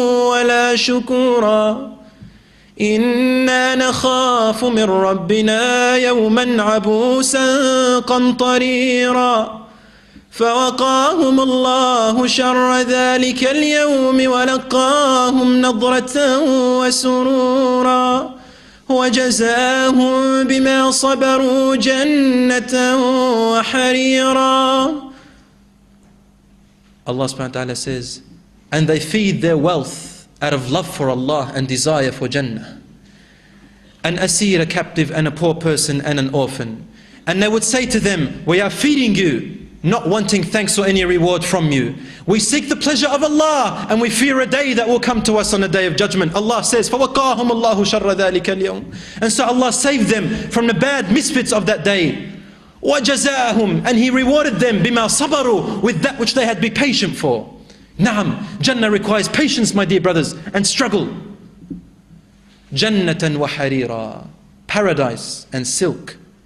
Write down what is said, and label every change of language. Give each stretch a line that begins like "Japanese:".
Arabic: وَلَا شُكُورًا إِنَّا نَخَافُ مِنْ رَبِّنَا يَوْمًا عَبُوسًا قَمْطَرِيرًا فَوَقَاهُمُ اللَّهُ شَرَّ ذَلِكَ الْيَوْمِ وَلَقَّاهُمْ نَضْرَةً وَسُرُورًا وجزاهم بما صبروا جنة وحريرا.
English: Allah subhanahu wa ta'ala says, and they feed their wealth out of love for Allah and desire for Jannah. An asir, a captive, and a poor person, and an orphan. And they would say to them, we are feeding you, not wanting thanks or any reward from you. We seek the pleasure of Allah and we fear a day that will come to us on the day of judgment. Allah says,
Arabic: فَوَقَاهُمُ اللَّهُ شَرَّ ذَلِكَ الْيَوْمِ.
English: And so Allah saved them from the bad misfits of that day.
Arabic: وَجَزَاهُمْ.
English: And He rewarded them
Arabic: بِمَا صَبَرُوا,
English: with that which they had be patient for. Naam, Jannah requires patience, my dear brothers, and struggle.
Arabic: جَنَّةً وَحَرِيرًا.
English: Paradise and silk.